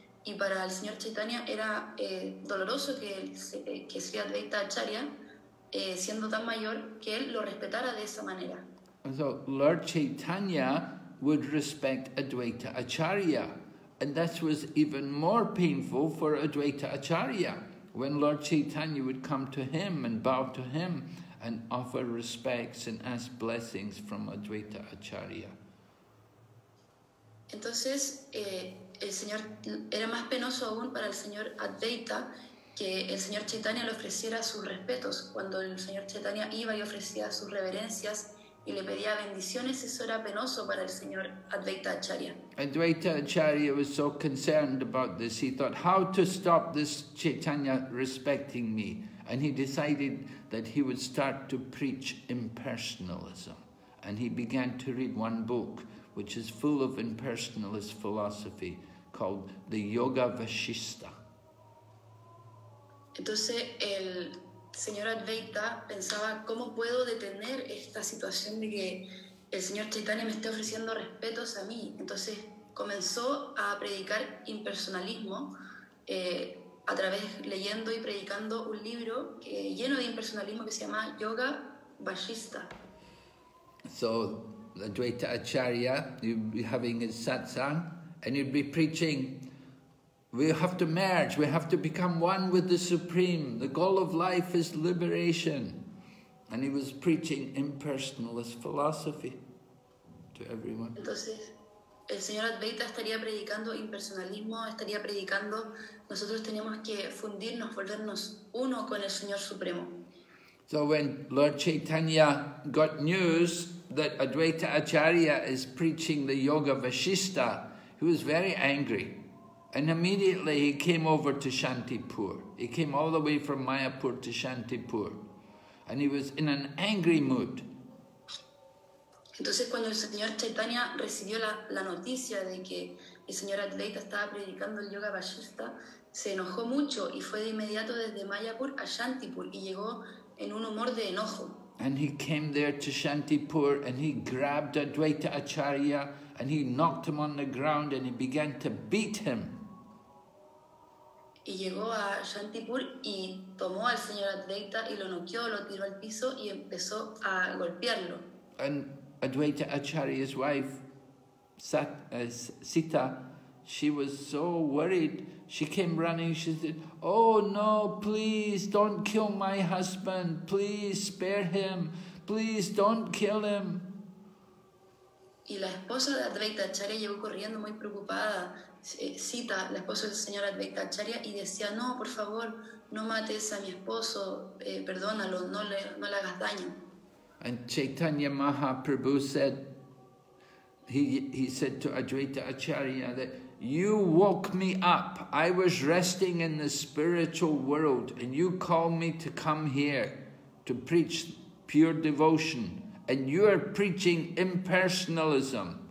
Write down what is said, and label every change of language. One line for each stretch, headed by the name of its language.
Spanish: Y para el señor Chaitanya era doloroso que Sri Advaita Acharya, siendo tan mayor que él, lo respetara de esa manera.
English: So Lord Chaitanya would respect Advaita Acharya, and this was even more painful for Advaita Acharya when Lord Chaitanya would come to him and bow to him and offer respects and ask blessings from Advaita Acharya.
Spanish: Entonces el señor era más penoso aún para el señor Advaita que el señor Chaitanya le ofreciera sus respetos. Cuando el señor Chaitanya iba y ofrecía sus reverencias y le pedía bendiciones, eso era penoso para el señor Advaita Acharya.
English: Advaita Acharya was so concerned about this, he thought, how to stop this Chaitanya respecting me? And he decided that he would start to preach impersonalism. And he began to read one book which is full of impersonalist philosophy called the Yoga Vashista.
Spanish: Entonces el señor Advaita pensaba, ¿cómo puedo detener esta situación de que el señor Chaitanya me esté ofreciendo respetos a mí? Entonces comenzó a predicar impersonalismo a través leyendo y predicando un libro que, lleno de impersonalismo que se llama Yoga Vashista.
English: So Advaita Acharya, he'd be having his satsang and he'd be preaching, we have to merge, we have to become one with the Supreme. The goal of life is liberation. And he was preaching impersonalist philosophy to everyone.
Spanish: Entonces, el señor Advaita estaría predicando impersonalismo, estaría predicando, nosotros tenemos que fundirnos, volvernos uno con el Señor Supremo.
English: So when Lord Chaitanya got news that Advaita Acharya is preaching the Yoga Vashista, he was very angry. And immediately he came over to Shantipur. He came all the way from Mayapur to Shantipur. And he was in an angry mood.
Spanish: Entonces cuando el señor Chaitanya recibió la noticia de que el señor Advaita estaba predicando el Yoga Vashista, se enojó mucho y fue de inmediato desde Mayapur a Shantipur y llegó en un humor de enojo.
English: And he came there to Shantipur and he grabbed Advaita Acharya and he knocked him on the ground and he began to beat him.
Spanish: Y llegó a Shantipur y tomó al señor Advaita y lo noqueó, lo tiró al piso y empezó a golpearlo.
English: And Advaita Acharya's wife, Sita, she was so worried. She came running, she said, oh no, please don't kill my husband. Please spare him. Please don't kill him.
Spanish: Y la esposa de Advaita Acharya llegó corriendo muy preocupada. Sita, la esposa del señor Advaita Acharya, y decía, no, por favor, no mates a mi esposo. Perdónalo, no le hagas daño.
English: And Chaitanya Mahaprabhu said, he said to Advaita Acharya that, you woke me up. I was resting in the spiritual world and you called me to come here to preach pure devotion and you are preaching impersonalism.